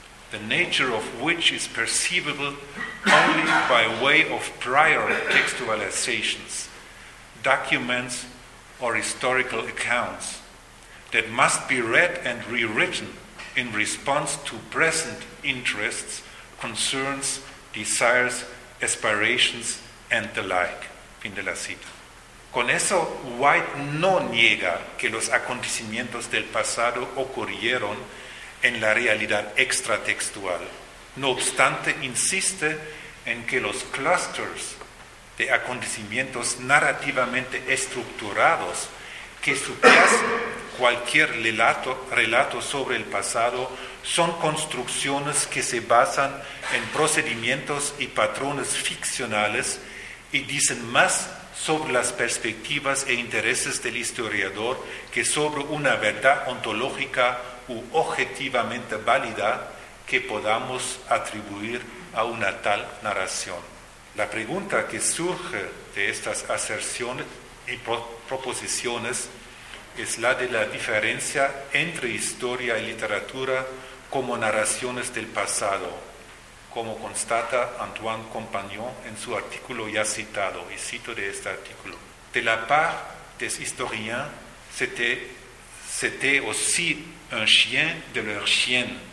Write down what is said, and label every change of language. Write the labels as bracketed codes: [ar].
[en] the nature of which is perceivable only by way of prior textualizations, documents, or historical accounts that must be read and rewritten in response to present interests, concerns, desires, aspirations, and the like." [es] Fin de la cita. Con eso, White no niega que los acontecimientos del pasado ocurrieron en la realidad extratextual. No obstante, insiste en que los clusters de acontecimientos narrativamente estructurados que subyacen cualquier relato sobre el pasado son construcciones que se basan en procedimientos y patrones ficcionales y dicen más sobre las perspectivas e intereses del historiador que sobre una verdad ontológica u objetivamente válida que podamos atribuir a una tal narración. La pregunta que surge de estas aserciones y proposiciones es la de la diferencia entre historia y literatura como narraciones del pasado, como constata Antoine Compagnon en su artículo ya citado, y cito de este artículo: [fr] "De la part des historiens, c'était aussi un chien de leur chien,